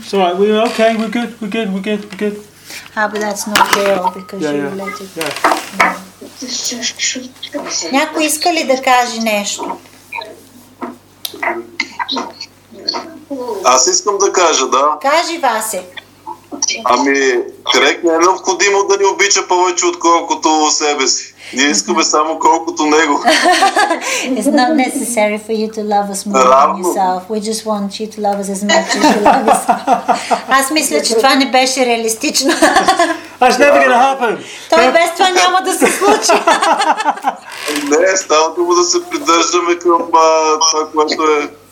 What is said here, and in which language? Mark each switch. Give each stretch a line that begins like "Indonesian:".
English: It's all right. We're good. But that's not real because you let it.
Bulgarian: Някой иска ли да каже нещо? Аз искам да кажа, да. Кажи, Васе. Ами, човек не е необходимо да ни обича повече отколкото себе си. Ние искаме само колкото него.
English: It's not necessary for you to love us more than yourself. We just want you to love us as much as you love us.
Bulgarian: Аз мисля, че това не беше реалистично.
English: That's never gonna happen.
Bulgarian: Той без това няма да се случи. Не, става дума да се придържаме към това, което е.